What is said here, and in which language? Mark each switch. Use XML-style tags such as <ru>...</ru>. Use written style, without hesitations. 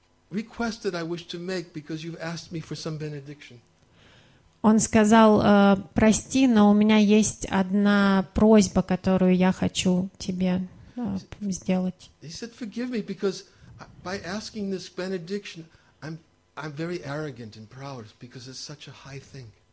<en>Request that I wish to make because you've asked me for some benediction.</en> <ru>Он сказал: «Прости, но у меня есть одна просьба, которую я хочу тебе сделать».</ru> <en>He said, "Forgive me because by asking this benediction, I'm very arrogant and proud because it's such a high thing."</en>